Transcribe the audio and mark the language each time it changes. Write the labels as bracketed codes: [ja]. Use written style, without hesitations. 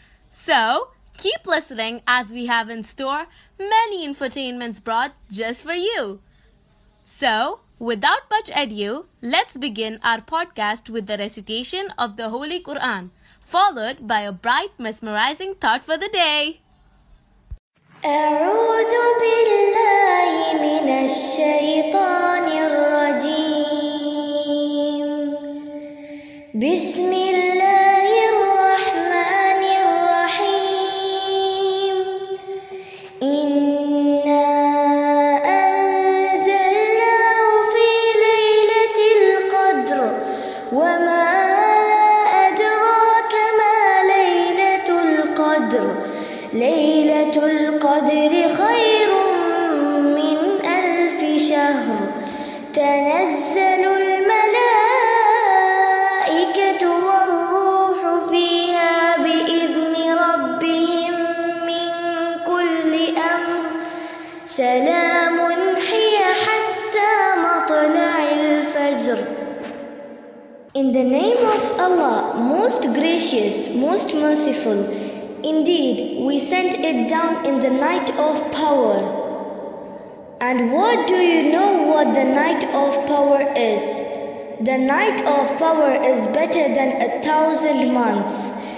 [en] So, keep listening as we have in store many infotainments brought just for you. So, without much ado, let's begin our podcast with the recitation of the Holy Quran, followed by a bright, mesmerizing thought for the day. [ar] أعوذ بالله من الشيطان الرجيم بسم الله الرحمن الرحيم إنا أنزلناه في ليلة القدر وما أدراك ما ليلة القدر ليلة القدر خير من ألف شهر تنزل الملائكة والروح فيها بإذن ربهم من كل أمر سلام هي حتى مطلع الفجر. [en] In the name of Allah, most gracious, most merciful. Indeed, we sent it down in the night of power. And what do you know what the night of power is? The night of power is better than 1,000 months.